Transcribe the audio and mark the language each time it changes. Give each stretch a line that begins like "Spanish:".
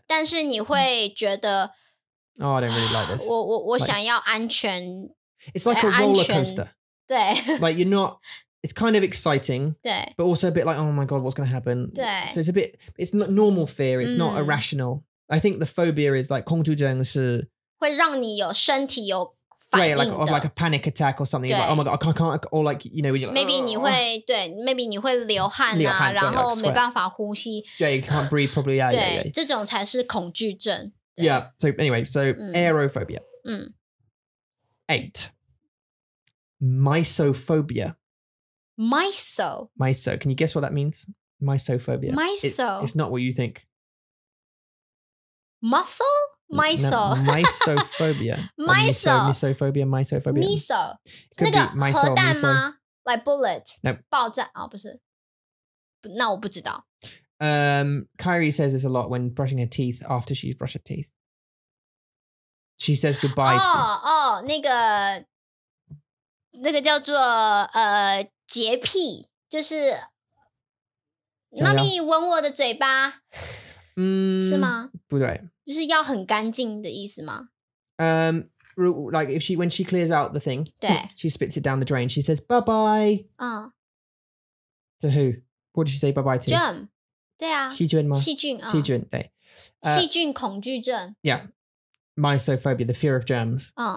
Chinese: 但是你会觉得
English: Oh, I don't really like this.
Chinese: 我想要安全
English: It's like a roller coaster.
Chinese: 对
English: Like you're not, it's kind of exciting,
Chinese: 对
English: But also a bit like, oh my god, what's going to happen?
Chinese: 对
English: So it's a bit, it's not normal fear, it's not irrational. I think the phobia is like
Chinese: 恐惧症是会让你有身体有反应的
English: Right, like a panic attack or something. Like, oh my god, I can't, or like, you know, when you're like,
Chinese: maybe 你会对 maybe 你会流汗啊然后没办法呼吸
English: Yeah, you can't breathe properly, yeah,
Chinese: 对
English: yeah, yeah.
Chinese: 这种才是恐惧症
English: Yeah, so anyway, so aerophobia. Eight. Mysophobia. Miso. Can you guess what that means? Mysophobia. Miso. It's not what you think. Muscle? Mysophobia. Mysophobia. Mysophobia. Miso. It could be miso. Miso. Miso. Like bullet. No.
Chinese: 爆炸哦不是。那我不知道。
English: Kyrie says this a lot when brushing her teeth after she's brushed her teeth. She says goodbye to her. Oh,
Chinese: 那个叫做洁癖就是妈咪吻我的嘴巴。是吗不对。就是要很干净的意思吗？
English: like if she when she clears out the thing, she spits it down the drain. She says bye bye. To who? What did she say bye bye to?
Chinese: Germ. 对啊。细菌吗？细菌啊。细菌对。细菌恐惧症。
English: Yeah, mysophobia, the fear of germs.